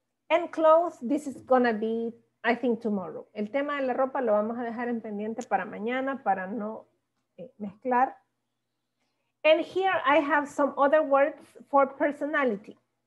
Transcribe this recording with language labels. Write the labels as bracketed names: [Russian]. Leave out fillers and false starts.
[English] And clothes, this is gonna be, I think, tomorrow. [Spanish] El tema de la ropa lo vamos a dejar en pendiente para mañana para no mezclar. [English] And here I have some other words for personality.